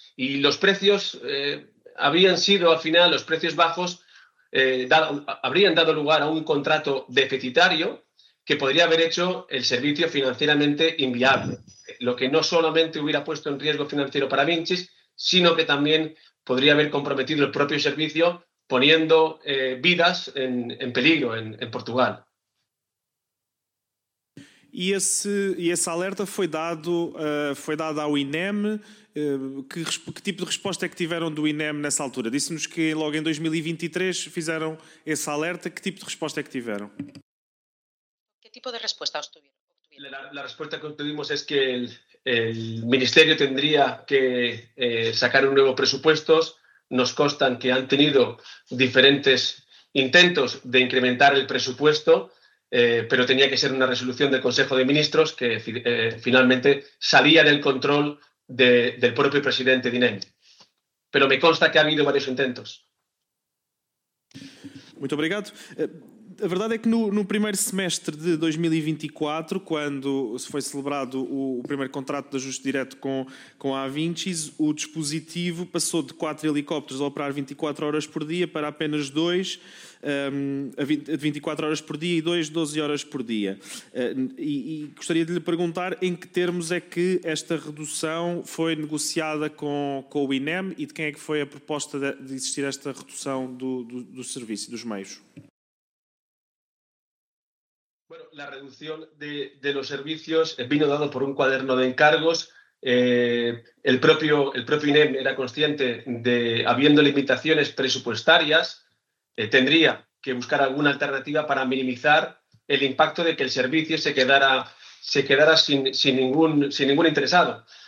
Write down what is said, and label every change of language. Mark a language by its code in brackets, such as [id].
[es] Y los precios habían sido, al final, los precios bajos habrían dado lugar a un contrato deficitario que podría haber hecho el servicio financieramente inviable, lo que no solamente hubiera puesto en riesgo financiero para Vincis, sino que también podría haber comprometido el propio servicio poniendo vidas en peligro en Portugal. Y ese alerta fue dado ao INEM. [pt] Que tipo de resposta é que tiveram do INEM nessa altura? Disse-nos que logo em 2023 fizeram esse alerta. Que tipo de resposta é que tiveram? [es] ¿Qué tipo de respuesta obtuvieron? La respuesta que obtuvimos es que el Ministerio tendría que sacar un nuevo presupuesto. Nos constan que han tenido diferentes intentos de incrementar el presupuesto, pero tenía que ser una resolución del Consejo de Ministros que finalmente salía del control del propio presidente de INEM. Pero me consta que ha habido varios intentos. [pt] Muito obrigado. A verdade é que no primeiro semestre de 2024, quando se foi celebrado o primeiro contrato de ajuste direto com a Avincis, o dispositivo passou de 4 helicópteros a operar 24 horas por dia para apenas 2, de 24 horas por dia e 2, 12 horas por dia. E gostaria de lhe perguntar em que termos é que esta redução foi negociada com o INEM e de quem é que foi a proposta de existir esta redução do serviço, dos meios? [es] Bueno, la reducción de los servicios vino dado por un cuaderno de encargos. El propio INEM era consciente de, habiendo limitaciones presupuestarias, tendría que buscar alguna alternativa para minimizar el impacto de que el servicio se quedara sin ningún interesado.